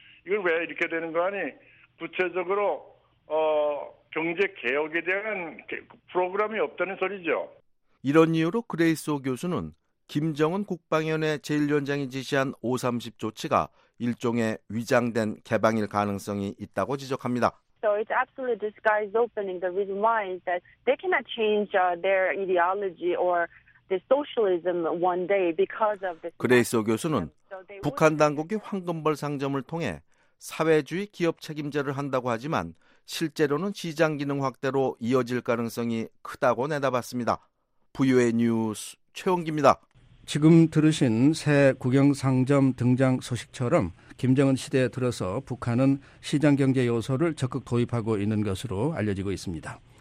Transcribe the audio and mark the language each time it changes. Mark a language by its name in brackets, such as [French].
[Korean] 이걸 왜 이렇게 되는 거 아니? 구체적으로 경제 개혁에 대한 프로그램이 없다는 소리죠. 이런 이유로 그레이스호 교수는 김정은 국방위원회 제1위원장이 지시한 530 조치가 일종의 위장된 개방일 가능성이 있다고 지적합니다. [English] So it's absolutely disguised opening. The reason why is that they cannot change their ideology or the socialism one day because of this. [Korean] 그레이스호 교수는 북한 당국이 황금벌 상점을 통해 사회주의 기업 책임제를 한다고 하지만 실제로는 시장 기능 확대로 이어질 가능성이 크다고 내다봤습니다. 부유의 뉴스 최원기입니다. 지금 들으신 새 국영상점 등장 소식처럼 김정은 시대에 들어서 북한은 시장경제 요소를 적극 도입하고 있는 것으로 알려지고 있습니다.